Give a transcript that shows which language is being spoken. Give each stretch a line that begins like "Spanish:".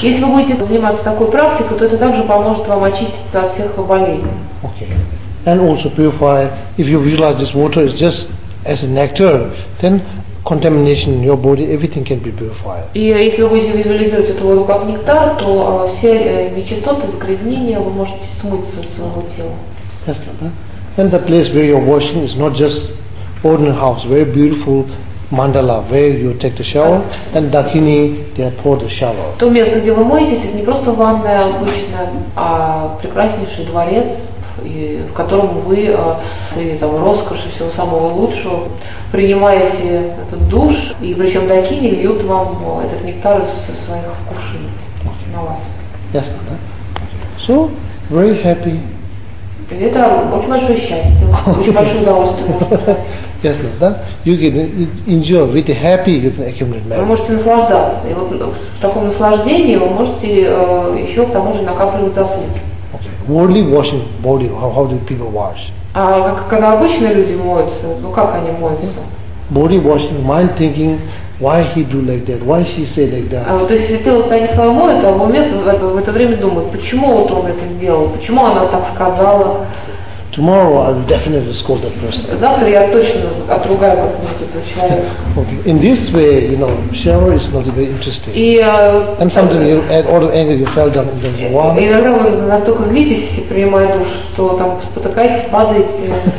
Russian: Если вы будете заниматься такой практикой, то это также поможет вам очиститься от всех болезней.
English: Okay. And also purify. If you visualize this water is just as a nectar, then contamination in your body, everything can be purified.
Russian: И если вы будете визуализировать эту воду как нектар, то все нечистоты, загрязнения вы можете смыть со своего тела. Ясно, да?
English: And the place where you're washing is not just ordinary house, very beautiful. mandala, where you take the shower, and dakini, they pour the shower.
Russian: То место, где вы моетесь, это не просто ванная обычная, а прекраснейший дворец, в котором вы среди там роскоши всего самого лучшего принимаете этот душ, и причем дакини льют вам этот нектар из своих кувшинов на вас. Ясно, да?
English: So, very happy.
Russian: Это очень большое счастье, очень большое удовольствие.
English: Yes, no, да? You can enjoy with happy you can accumulate merit.
Russian: Вы можете наслаждаться. И вот в таком наслаждении вы можете еще к тому же накапливать заслуги.
English: Okay. Worldly washing body, how do people wash?
Russian: А как, когда обычно люди моются, ну как они моются?
English: Body washing, mind thinking, why he do like that, why she say like that.
Russian: А вот если тело они свое моют, а в уме в это время думают, почему вот он это сделал, почему она так сказала.
English: Tomorrow I will definitely scold that person.
Russian: Завтра я точно отругаю какого-то этого человека.
English: In this way, you know, shower is not very interesting.
Russian: И
English: and sometimes you add all the anger you felt on the wall.
Russian: И иногда вы настолько злитесь, принимая душ, что там спотыкаетесь, падаете.